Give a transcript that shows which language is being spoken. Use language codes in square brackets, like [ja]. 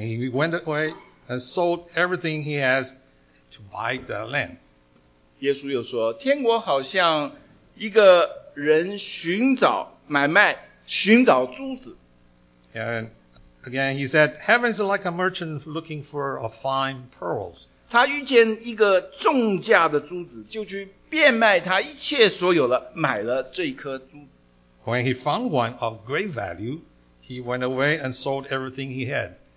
[en] he went away and sold everything he has to buy the land. [zh] 耶稣又说，天国好像一个人寻找。买卖寻找珠子。 [en] And again, he said, heaven is like a merchant looking for a fine pearls. [zh] 他遇见一个重价的珠子，就去变卖他一切所有了，买了这颗珠子。 [en] When he found one of great value, he went away and sold everything he had.